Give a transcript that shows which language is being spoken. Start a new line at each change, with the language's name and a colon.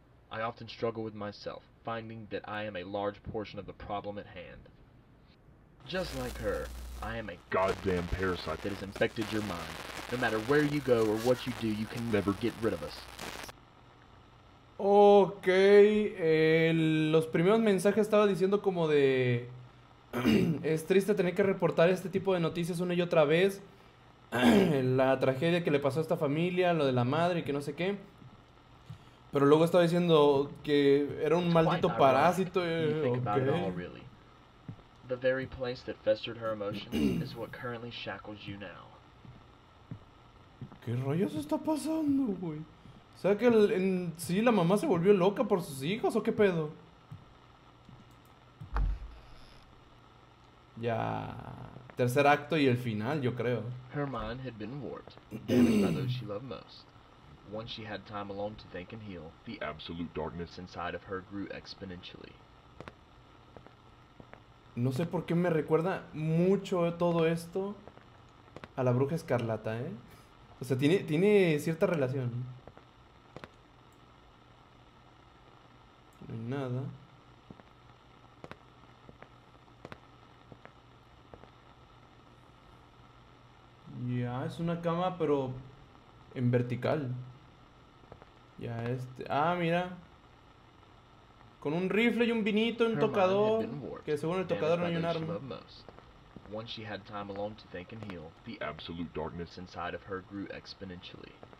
English: I often struggle with myself, finding that I am a large portion of the problem at hand. Just like her, I am a goddamn parasite that has infected your mind. No matter where you go or what you do, you can never get rid of us.
Spanish: Okay, los primeros mensajes estaba diciendo como de... Es triste tener que reportar este tipo de noticias una y otra vez. La tragedia que le pasó a esta familia, lo de la madre y que no sé qué. Pero luego estaba diciendo que era un maldito parásito. Okay.
English: The very place that festered her emotions is what currently shackles you now.
Spanish: ¿Qué rayos está pasando, güey? O sea que sí, la mamá se volvió loca por sus hijos o qué pedo. Ya, tercer acto y el final, yo creo.
English: Her mind had been warped, damaged by those she loved most. Once she had time alone to think and heal, the absolute darkness inside of her grew exponentially.
Spanish: No sé por qué me recuerda mucho todo esto a la Bruja Escarlata, ¿eh? O sea, tiene cierta relación. No hay nada. es una cama, pero en vertical. Ya este. Ah, mira. Con un rifle y un vinito, un tocador. Que según el tocador no hay un arma.
English: Once she had time alone to think and heal, the absolute darkness inside of her grew exponentially.